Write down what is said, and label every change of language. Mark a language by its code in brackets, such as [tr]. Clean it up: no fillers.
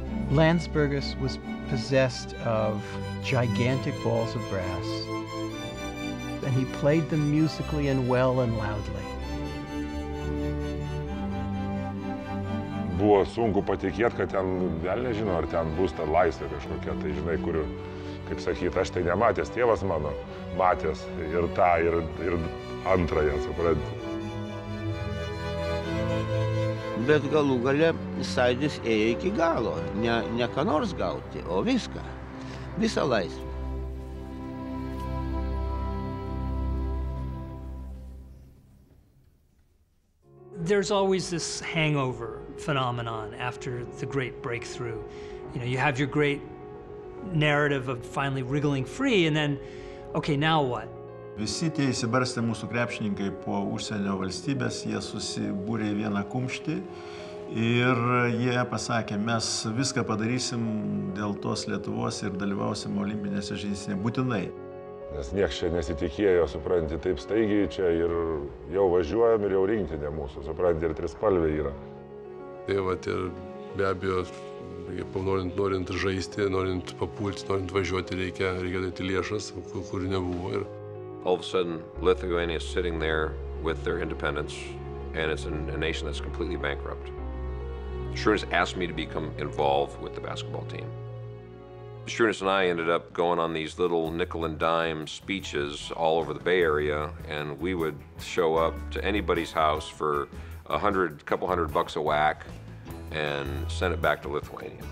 [en] Landsbergis was possessed of gigantic balls of brass, and he played them musically and well and loudly. [lt] Buvo sunku patikėti, kad ten, vėl nežino, ar ten bus ta laisvė kažkokia, tai žinai, kuriu, kaip sakyt, aš tai nematęs, tėvas mano matęs ir tą, ir antrąją, supranti. Bet galų gale Saidis ėjo iki galo, ne ką nors gauti, o viską, visą laisvę. [en] There's always this hangover phenomenon after the great breakthrough. You know, you have your great narrative of finally wriggling free, and then, okay, now what? [lt] Visi tie įsibarstę mūsų krepšininkai po užsienio valstybės, jie susibūrė į vieną kumštį ir jie pasakė, mes viską padarysim dėl tos Lietuvos ir dalyvausim olimpinėse žaidynėse būtinai. Nes niekas čia nesitikėjo, supranti, taip staigiai čia ir jau važiuojam ir jau rinktinė mūsų, supranti, ir trispalvė yra. Tai va, ir be abejo, norint žaisti, norint papulti, norint važiuoti, reikia daryti lėšas, kur nebuvo. Ir... [en] All of a sudden, Lithuania is sitting there with their independence, and it's a nation that's completely bankrupt. Šarūnas asked me to become involved with the basketball team. Šarūnas and I ended up going on these little nickel and dime speeches all over the Bay Area, and we would show up to anybody's house for a couple hundred bucks a whack and send it back to Lithuania.